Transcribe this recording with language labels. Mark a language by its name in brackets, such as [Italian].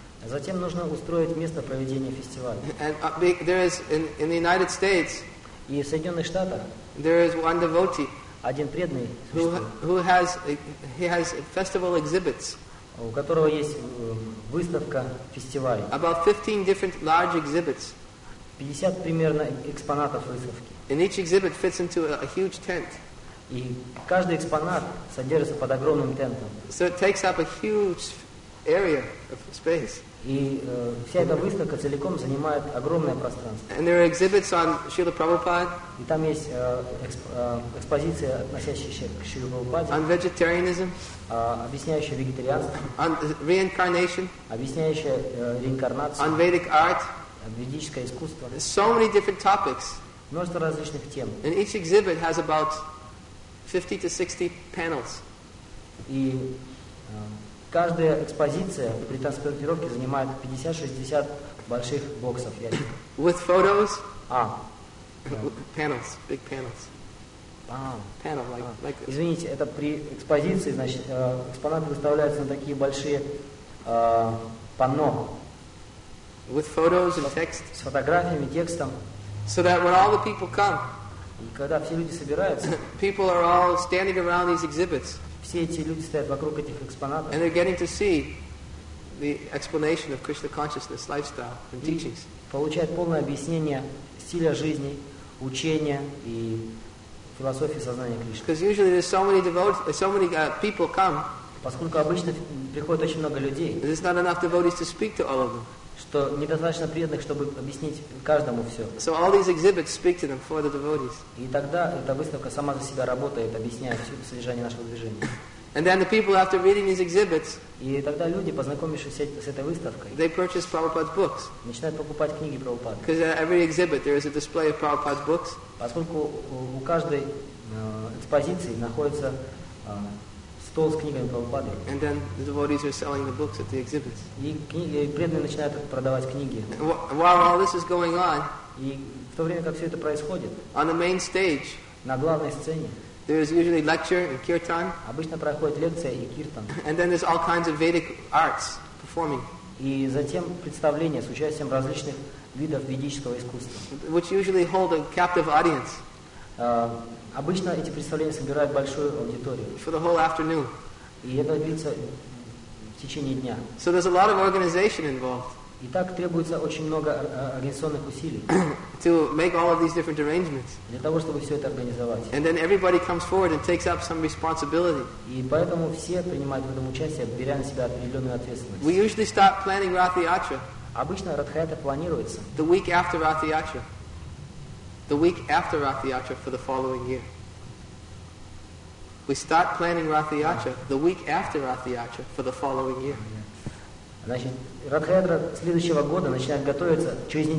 [Russian] Затем нужно устроить место проведения фестиваля. [English] And there is in the United States. [Russian] И в Соединенных Штатах. [English] There is one devotee. [Russian] Один преданный, [English] who has festival exhibits, [Russian] у которого есть выставка, фестиваль. [English] About 15 different large exhibits. [Russian] 50 примерно экспонатов выставки. [English] And each exhibit fits into a huge tent. [Russian] И каждый экспонат содержится под огромным тентом. [English] So it takes up a huge area of space. [Russian] И вся эта выставка целиком занимает огромное пространство. [English] And there are exhibits on Srila Prabhupada. [Russian] И там есть экспозиция, относящаяся к Шриле Прабхупаде. [English] On vegetarianism. [Russian] Объясняющая вегетарианство. [English] On reincarnation. [Russian] Объясняющая реинкарнацию. [English] On Vedic art. [Russian] Ведическое искусство. [English] So many different topics. [Russian] Множество различных тем. [English] And each exhibit has about 50 to 60 panels. [Russian] И Каждая экспозиция при транспортировке занимает 50-60 больших боксов ящиков. [English] With photos? А. Panels, big panels. [Russian] Извините, это при экспозиции, значит, экспонаты выставляются на такие большие панно. [English] With photos and text. [Russian] С фотографиями, текстом. [English] So that when all the people come. [Russian] И когда все люди собираются. [English] People are all standing around these exhibits. [Russian] Все эти люди стоят вокруг этих экспонатов. [English] And they're getting to see the explanation of Krishna consciousness, lifestyle, and teachings. [Russian] Получают полное объяснение стиля жизни, учения и философии сознания Кришны. [English] Because usually there's so many devotees, so many people come. [Russian] Поскольку обычно приходит очень много людей. [English] There's not enough devotees to speak to all of them. [Russian] Что недостаточно преданных, чтобы объяснить каждому все. [English] So all these exhibits speak to them for the devotees. [Russian] И тогда эта выставка сама за себя работает, объясняет все содержание нашего движения. [English] And then the people, after reading these exhibits, [Russian] и тогда люди, познакомившись с этой выставкой, [English] they purchase Prabhupada's books. [Russian] Начинают покупать книги Прабхупады. [English] Because at every exhibit there is a display of Prabhupada's books. [Russian] Поскольку у каждой экспозиции находится стол с книгами Прабхупады. [English] And then the devotees are selling the books at the exhibits. [Russian] И преданные начинают продавать книги. [English] While all this is going on, [Russian] и в то время как все это происходит, [English] on the main stage, [Russian] на главной сцене, [English] there is usually lecture and kirtan. [Russian] Обычно проходит лекция и киртан. [English] And then there's all kinds of Vedic arts performing. [Russian] И затем представления с участием различных видов ведического искусства. [English] Which usually hold a captive audience. [Russian] Обычно эти представления собирают большую аудиторию. [English] For the whole afternoon. [Russian] И это длится в течение дня. [English] So there's a lot of organization involved. [Russian] И так требуется очень много организационных усилий. [English] To make all of these different arrangements. [Russian] Для того, чтобы все это организовать. [English] And then everybody comes forward and takes up some responsibility. [Russian] И поэтому все принимают в этом участие, беря на себя определенную ответственность. [English] We usually start planning Rath Yatra. [Russian] Обычно Ратха-ятра планируется. [English] The week after Rath Yatra. The week after Rath Yatra for the following year. We start planning Rath Yatra the week after Rath Yatra for the following year. [Russian] Значит, Ратха-ятра следующего года начинает готовиться через неделю.